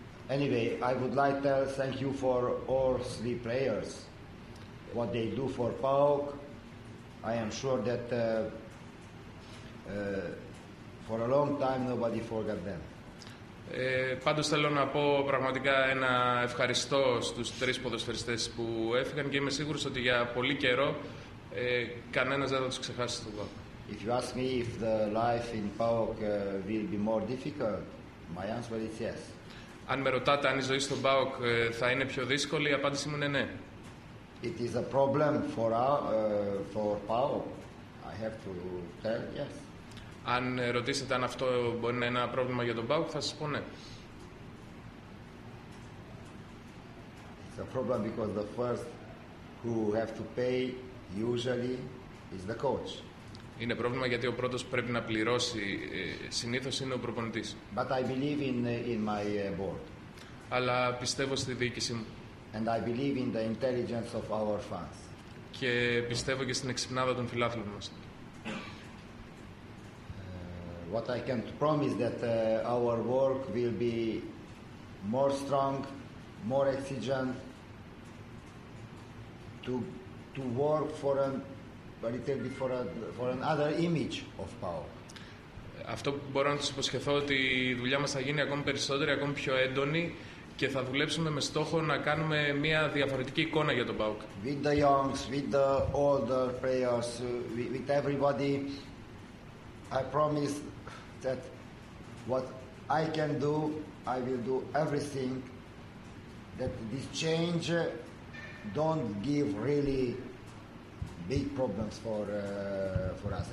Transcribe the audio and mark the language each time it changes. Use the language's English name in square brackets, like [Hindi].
[English] Anyway, I would like to thank you for all three players. What they do for PAOK, I am sure that for a long time nobody forgot them. [Greek] Πάντως θέλω να πω πραγματικά ένα ευχαριστώ στους τρεις ποδοσφαιριστές που έφυγαν και είμαι σίγουρος ότι για πολύ καιρό κανένας δεν θα τους ξεχάσει το ΠΑΟΚ. [English] If you ask me if the life in PAOK will be more difficult, my answer is yes. [Greek] Αν με ρωτάτε αν η ζωή στον ΠΑΟΚ θα είναι πιο δύσκολη, η απάντηση μου είναι ναι. [English] It is a problem for PAOK. I have to tell yes. [Greek] Αν ρωτήσετε αν αυτό μπορεί να είναι ένα πρόβλημα για τον ΠΑΟΚ, θα σας πω ναι. [English] It's a problem because the first who have to pay usually is the coach. [Greek] Είναι πρόβλημα γιατί ο πρώτος πρέπει να πληρώσει, συνήθως είναι ο προπονητής. [English] But I believe in my board. [Greek] Αλλά πιστεύω στη διοίκηση μου. [English] And I believe in the intelligence of our fans. [Greek] Και πιστεύω και στην εξυπνάδα των φιλάθλων μας. [English] What I can promise that our work will be more strong, more exigent, to work for a little bit for another image of PAOK. [Greek] Αυτό που μπορώ να τους υποσχεθώ ότι η δουλειά μας θα γίνει ακόμη περισσότερη, ακόμη πιο έντονη και θα δουλέψουμε με στόχο να κάνουμε μια διαφορετική εικόνα για τον PAOK. [English] With the youngs, with the older players, with everybody, I promise that What I can do, I will do everything that this change don't give really big problems for us.